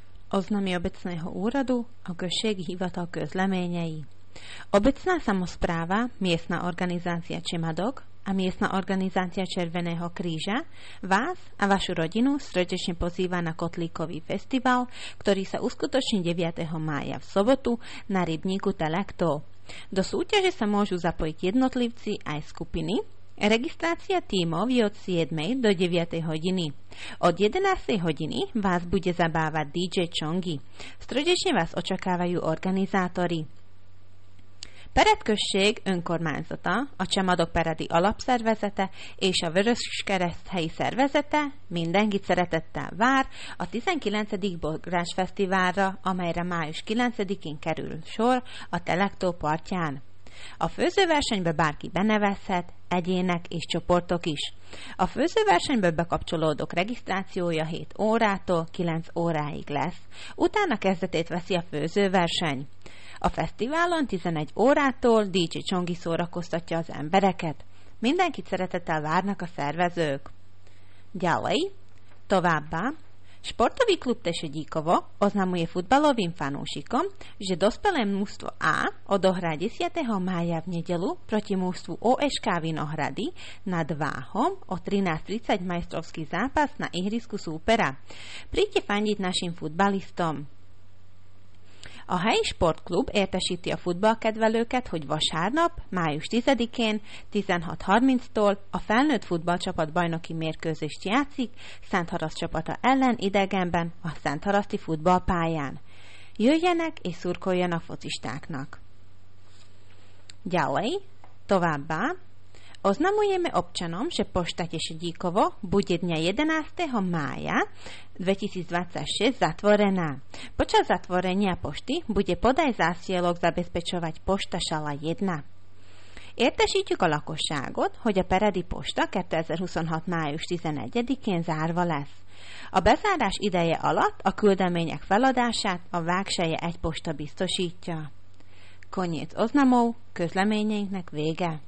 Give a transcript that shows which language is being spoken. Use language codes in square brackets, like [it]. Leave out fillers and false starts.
[sk] oznámi obecného úradu a [hu] Gösség hivatal közleményei. [sk] Obecná samospráva, miestna organizácia Čemadok a miestna organizácia Červeného kríža vás a vašu rodinu srdečne pozýva na kotlíkový festival, ktorý sa uskutoční 9. mája v sobotu na rybníku Telakto. Do súťaže sa môžu zapojiť jednotlivci aj skupiny. Registrácia tímov je od 7. do 9. hodiny. Od 11. hodiny vás bude zabávať DJ Čongi. Srdečne vás očakávajú organizátori. [hu] Parád Gösség önkormányzata, a Csemadok Parádi alapszervezete és a Vöröskereszthelyi szervezete mindenkit szeretettel vár a 19. Bográs Fesztiválra, amelyre május 9-én kerül sor a Telakto partján. A főzőversenybe bárki benevezhet, egyének és csoportok is. A főzőversenybe bekapcsolódók regisztrációja 7 órától 9 óráig lesz. Utána kezdetét veszi a főzőverseny. A fesztiválon 11 órától DJ Csongi szórakoztatja az embereket. Mindenkit szeretettel várnak a szervezők. Gyalai, továbbá, [sk] sportový klub Tešedíkovo oznamuje futbalovým fanúšikom, že dospelé mužstvo A odohrá 10. mája v nedelu proti mužstvu OŠK Vinohrady nad Váhom o 13:30 majstrovský zápas na ihrisku súpera. Príďte fandiť našim futbalistom. [hu] A helyi sportklub értesíti a futballkedvelőket, hogy vasárnap, május 10-én 16:30-tól a felnőtt futballcsapat bajnoki mérkőzést játszik Szentharaszt csapata ellen idegenben a szentharaszti futballpályán. Jöjjenek és szurkoljanak focistáknak! Gyalai, továbbá, [sk] oznamujeme občanom, že pošta Tešedíkovo bude dňa 11. mája 2026 zatvorená. Počas zatvorenia pošty bude podaj zásielok zabezpečovať pošta šala 1. [hu] Értesítjük a lakosságot, hogy a Peredi posta 2026. május 11-én zárva lesz. A bezárás ideje alatt a küldemények feladását a Vágseje 1 posta biztosítja. [sk] Koniec oznamov, [hu] közleményeinknek vége.